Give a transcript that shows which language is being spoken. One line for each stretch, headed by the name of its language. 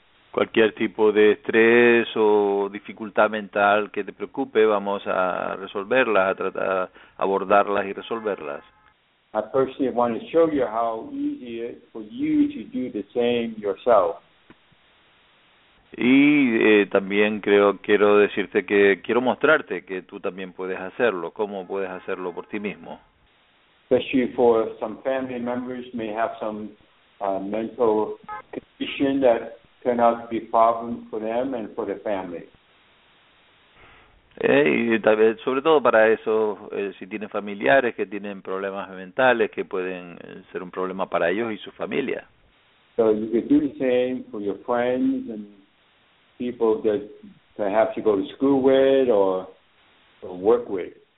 Spanish: Cualquier tipo de estrés o dificultad mental que te preocupe, vamos a resolverlas, a tratar abordarlas y resolverlas.
English: I personally want to show you how easy it is for you to do the same yourself.
Spanish: Y también quiero decirte que quiero mostrarte que tú también puedes hacerlo, cómo puedes hacerlo por ti mismo.
English: Especially for some family members may have some mental condition that turn out to be problems for them and for the family.
Spanish: Y sobre todo para eso, si tienen familiares que tienen problemas mentales que pueden ser un problema para ellos y su familia.
English: So you could do the same for your friends and people that perhaps you go to school with or work with.